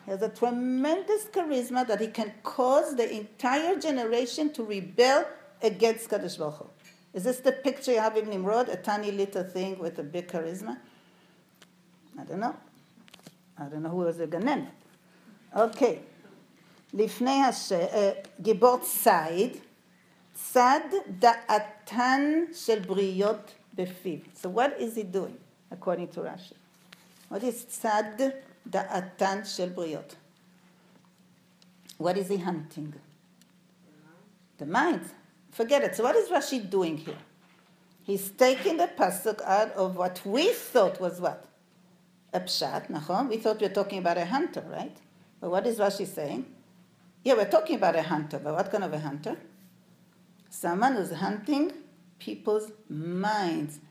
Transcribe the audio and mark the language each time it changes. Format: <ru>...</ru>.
<en>He has a tremendous charisma that he can cause the entire generation to rebel against Kadosh Baruch Hu. Is this the picture you have in Nimrod? A tiny little thing with a big charisma? I don't know. I don't know who was a gananet. Okay.</en> <he>לפני גיבור צייד, צד דעתן של בריאות בפיו.</he> <en>So what is he doing, according to Rashi? What is</en> <he>צד דעתן של בריאות?</he> <en>What is he hunting? The mind. Forget it. So what is Rashi doing here? He's taking the pasuk out of what we thought was what? A pshat, נכון? We thought we were talking about a hunter, right? But what is Rashi saying? Yeah, we're talking about a hunter, but what kind of a hunter? Someone who's hunting people's minds.</en>